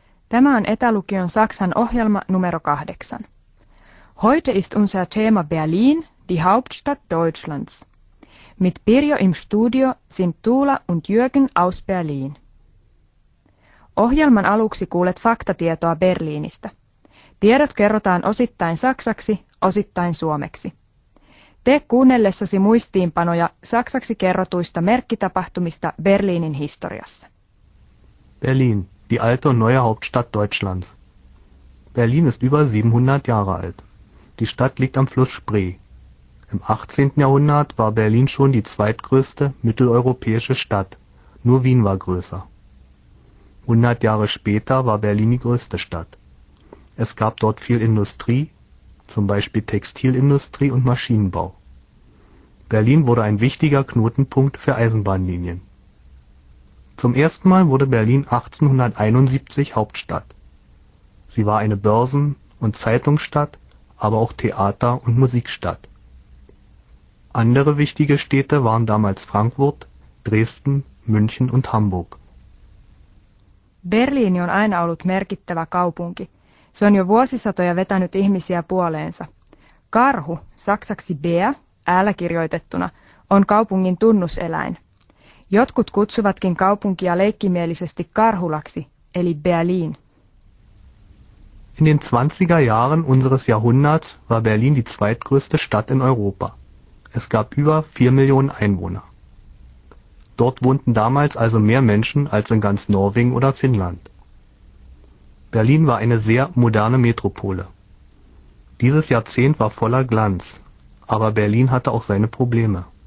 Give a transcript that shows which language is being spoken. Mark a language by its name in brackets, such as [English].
[Finnish] Tämä on etälukion Saksan ohjelma numero 8. [German] Heute ist unser Thema Berlin, die Hauptstadt Deutschlands. Mit Pirjo im Studio sind Tuula und Jürgen aus Berlin. [Finnish] Ohjelman aluksi kuulet faktatietoa Berliinistä. Tiedot kerrotaan osittain saksaksi, osittain suomeksi. Tee kuunnellessasi muistiinpanoja saksaksi kerrotuista merkkitapahtumista Berliinin historiassa. [German] Berlin. Die alte und neue Hauptstadt Deutschlands. Berlin ist über 700 Jahre alt. Die Stadt liegt am Fluss Spree. Im 18. Jahrhundert war Berlin schon die zweitgrößte mitteleuropäische Stadt. Nur Wien war größer. 100 Jahre später war Berlin die größte Stadt. Es gab dort viel Industrie, zum Beispiel Textilindustrie und Maschinenbau. Berlin wurde ein wichtiger Knotenpunkt für Eisenbahnlinien. Zum ersten Mal wurde Berlin 1871 Hauptstadt. Sie war eine Börsen- und Zeitungsstadt, aber auch Theater- und Musikstadt. Andere wichtige Städte waren damals Frankfurt, Dresden, München und Hamburg. [Finnish] Berliini on aina ollut merkittävä kaupunki. Se on jo vuosisatoja vetänyt ihmisiä puoleensa. Karhu, saksaksi Bär, äällä kirjoitettuna, on kaupungin tunnuseläin. Jotkut kutsuvatkin kaupunkia leikkimielisesti Karhulaksi, eli Berlin. [German] In den 20er Jahren unseres Jahrhunderts war Berlin die zweitgrößte Stadt in Europa. Es gab über 4 Millionen Einwohner. Dort wohnten damals also mehr Menschen als in ganz Norwegen oder Finnland. Berlin war eine sehr moderne Metropole. Dieses Jahrzehnt war voller Glanz, aber Berlin hatte auch seine Probleme.